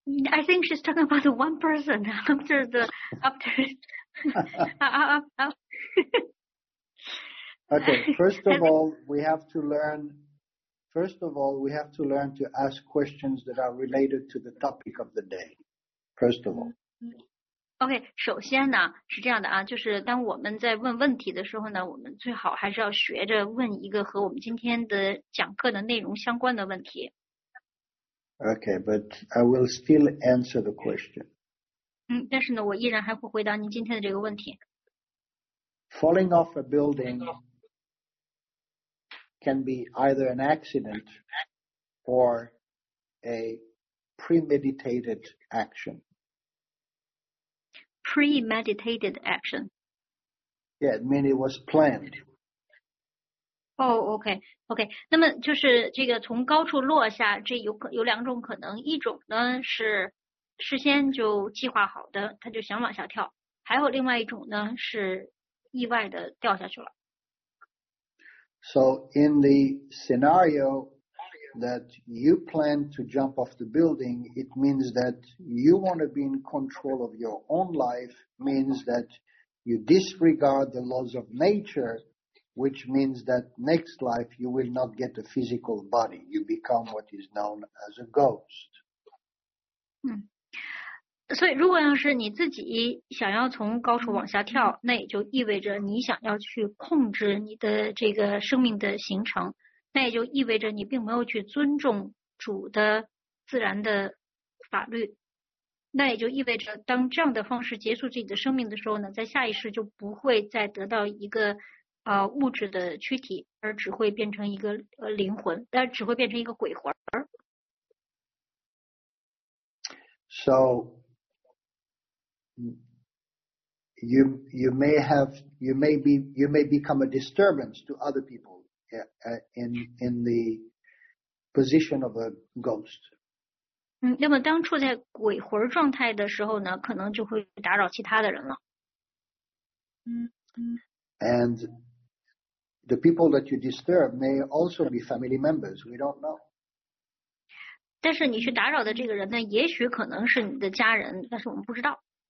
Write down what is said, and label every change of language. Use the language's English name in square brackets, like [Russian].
[English] I think she's talking about the one person after the after. Okay. First of all, we have to learn to ask questions that are related to the topic of the day. First of all. [Chinese] OK, 首先呢是这样的啊，就是当我们在问问题的时候呢，我们最好还是要学着问一个和我们今天的讲课的内容相关的问题。 [English] OK, but I will still answer the question. [Chinese] 但是呢我依然还会回答您今天的这个问题。 [English] Falling off a building can be either an accident or a premeditated action. Premeditated action. Yeah, I mean it was planned. Oh, okay. [Chinese] 那么就是这个从高处落下，这有两种可能，一种呢是事先就计划好的，他就想往下跳；还有另外一种呢是意外的掉下去了。 [English] So in the scenario that you plan to jump off the building, it means that you want to be in control of your own life, means that you disregard the laws of nature, which means that next life you will not get a physical body. You become what is known as a ghost. [Chinese] 所以如果要是你自己想要从高处往下跳，那也就意味着你想要去控制你的这个生命的形成。那也就意味着你并没有去尊重主的自然的法律。那也就意味着当这样的方式结束自己的生命的时候呢，在下一世就不会再得到一个物质的躯体，而只会变成一个灵魂，但只会变成一个鬼魂。 [English] So, you may become a disturbance to other people. in the position of a ghost. [Chinese] 嗯，那么当处在鬼魂状态的时候呢，可能就会打扰其他的人了。嗯嗯。 [English] And the people that you disturb may also be family members. We don't know. [Chinese] 但是你去打扰的这个人呢，也许可能是你的家人，但是我们不知道。